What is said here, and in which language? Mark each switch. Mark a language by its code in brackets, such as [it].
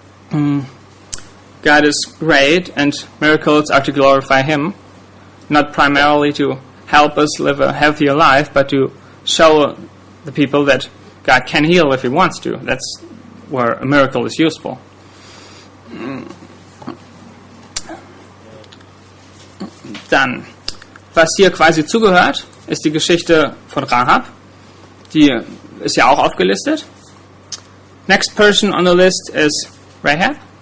[en] God is great, and miracles are to glorify Him, not primarily to help us live a healthier life, but to show the people that God can heal if He wants to. That's where a miracle is useful. [de] Dann, was hier quasi zugehört, ist die Geschichte von Rahab. Die ist ja auch aufgelistet. [en] Next person on the list is Rahab.